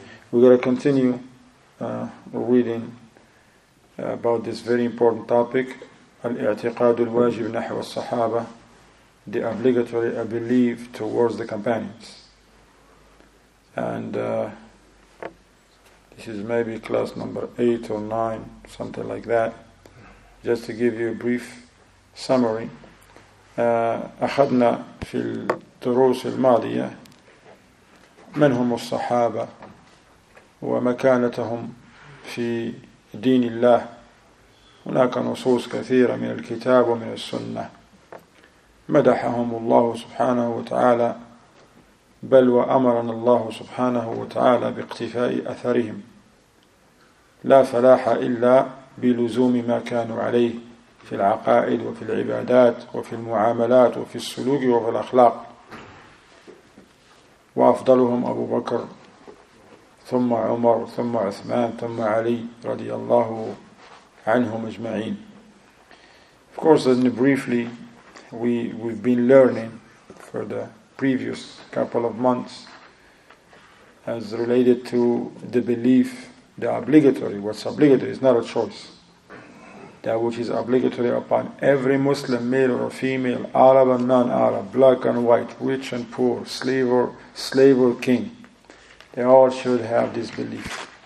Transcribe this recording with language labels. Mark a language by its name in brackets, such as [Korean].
[English] We're going to continue reading about this very important topic, Al-i'tiqad al-wajib nahwa al-sahaba, the obligatory belief towards the companions. And this is maybe class number 8 or 9, something like that. Just to give you a brief summary, [Arabic] أخذنا في الدروس الماضية من هم الصحابة ومكانتهم في دين الله. هناك نصوص كثيرة من الكتاب ومن السنة مدحهم الله سبحانه وتعالى، بل وأمرنا الله سبحانه وتعالى باقتفاء أثرهم. لا فلاح إلا بلزوم ما كانوا عليه في العقائد وفي العبادات وفي المعاملات وفي السلوك وفي الأخلاق. وأفضلهم أبو بكر، ثم عمر، ثم عثمان، ثم علي رضي الله عنهم أجمعين. [English] Of course, and briefly, we've been learning for the previous couple of months as related to the belief, the obligatory, what's obligatory is not a choice. That which is obligatory upon every Muslim, male or female, Arab and non-Arab, black and white, rich and poor, slave or king, they all should have this belief.